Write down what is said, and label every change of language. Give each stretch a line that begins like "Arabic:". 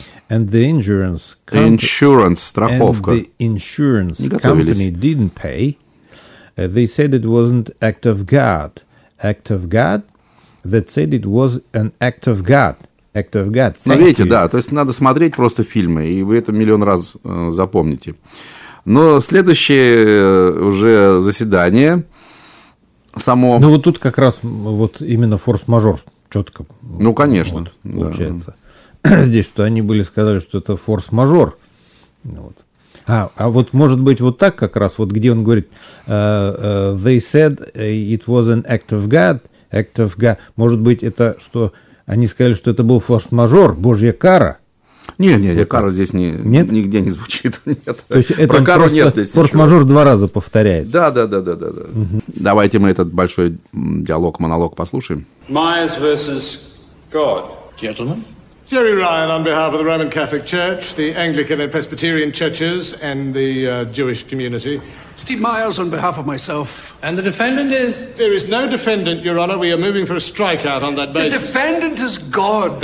English: And the insurance company, insurance, страховка. And the insurance company didn't pay. They said it wasn't act of God. Act of God? That said it was an act of God. Act of God. Thank you.
Russian: Видите, да, то есть надо смотреть просто фильмы, и вы это миллион раз запомните. Но следующее уже заседание само... Ну, вот тут как раз вот именно форс-мажор четко. Ну, конечно. Вот, получается. Да. Здесь, что они были, сказали, что это форс-мажор. Вот. А вот может быть вот так как раз, вот где он говорит
English: «They said it was an act of God».
Russian: Act of God. Может быть, это что они сказали, что это был форс-мажор, божья кара? Нет, кара здесь нет? Нигде не звучит. Нет. То есть это про кару нет здесь форс-мажор ничего. Два раза повторяет. Да. Угу. Давайте мы этот большой диалог, монолог послушаем.
English: Myers versus God. Gentlemen. Jerry Ryan on behalf of the Roman Catholic Church, the Anglican and Presbyterian churches, and the Jewish community. Steve Myers on behalf of myself. And the defendant is? There is no defendant, Your Honor. We are moving for a strikeout on that basis. The defendant is God.